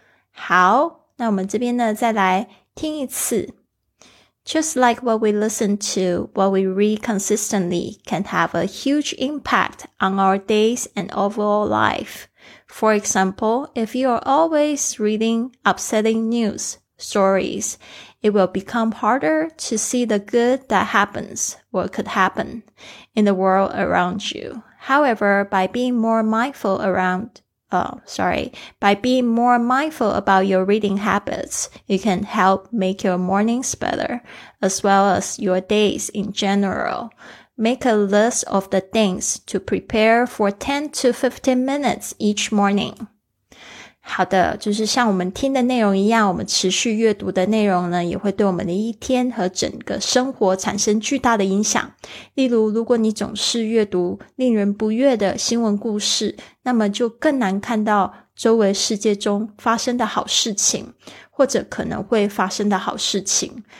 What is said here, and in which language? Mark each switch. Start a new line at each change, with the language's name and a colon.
Chinese: 好，那我们这边呢再来听一次。
English: Just like what we listen to, what we read consistently can have a huge impact on our days and overall life. For example, if you are always reading upsetting news stories, it will become harder to see the good that happens or could happen in the world around you. However, by being more mindful around By being more mindful about your reading habits, you can help make your mornings better, as well as your days in general. Make a list of the things to prepare for 10 to 15 minutes each morning.
Chinese: 好的，就是像我们听的内容一样，我们持续阅读的内容呢，也会对我们的一天和整个生活产生巨大的影响。例如，如果你总是阅读令人不悦的新闻故事，那么就更难看到周围世界中发生的好事情，或者可能会发生的好事情。